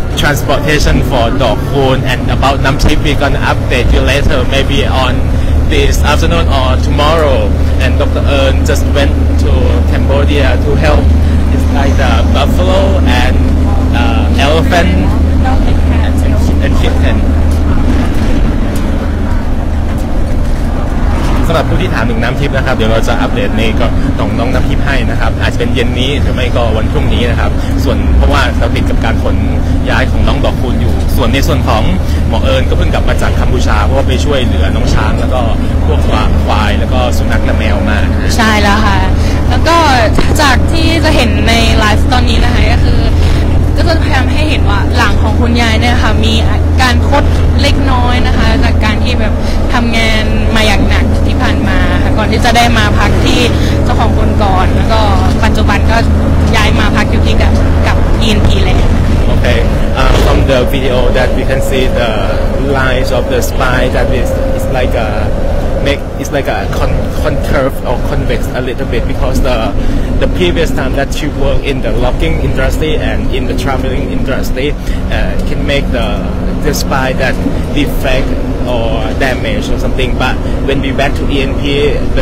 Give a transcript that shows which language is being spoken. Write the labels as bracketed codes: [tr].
[en] Transportation for dog food and about Nam Chip, we're gonna update you later, maybe on this afternoon or tomorrow. And Dr. Ern just went to Cambodia to help. It's like the buffalo and elephant and kitten. [th] สำหรับผู้ที่ถามถึงน้ำทิพย์นะครับเดี๋ยวเราจะอัปเดตนี่ก็ต้องน้องน้ำทิพย์ให้นะครับอาจจะเป็นเย็นนี้หรือไม่ก็วันพรุ่งนี้นะครับส่วนเพราะว่าเราติดกับการขนย้ายของน้องดอกคูณอยู่ส่วนในส่วนของหมอเอิญก็เพิ่งกลับมาจากกัมพูชาเพราะว่าไปช่วยเหลือน้องช้างแล้วก็พวกควายแล้วก็สุนัขและแมวมา ใช่แล้วค่ะแล้วก็จากที่จะเห็นในไลฟ์ตอนนี้นะคะก็คือก็จะพยายามให้เห็นว่าหลังของคุณยายเนี่ยค่ะมีการคดเล็กน้อยนะคะจากการที่แบบทำงานมาอย่างหนักที่ผ่านมาก่อนที่จะได้มาพักที่เจ้าของคนก่อนแล้วก็ปัจจุบันก็ย้ายมาพักอยู่ที่กับ ENP แล้ว [en] โอเค from the video that we can see the lines of the spine that is like a make it's like a concave or convex a little bit because the previous time that you work in the logging industry and in the traveling industry can make the spine that defect or damage or something but when we back to ENP